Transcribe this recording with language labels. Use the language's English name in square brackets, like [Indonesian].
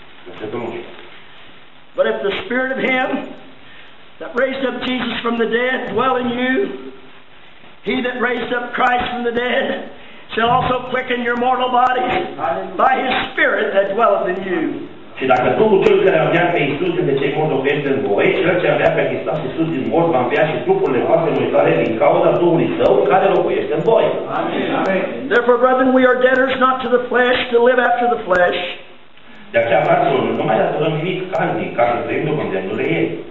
[Romanian] Versetul 11. [English] But if the spirit of him that raised up Jesus from the dead dwell in you, he that raised up Christ from the dead shall also quicken your mortal bodies by his spirit that dwelleth in you. [Romanian] Și dacă Duhul Celui care a înviat pe Iisus dintre cei morți o veste în voi, cel ce a înviat pe Hristos Iisus din morți va învia și trupurile voastre mortale din cauza Duhului Său care locuiește în voi. [English] Amen. Therefore, brethren, we are debtors not to the flesh to live after the flesh. [Romanian] De aceea, fraților, nu mai datorăm nimic carnii ca să trăim după îndemnurile ei.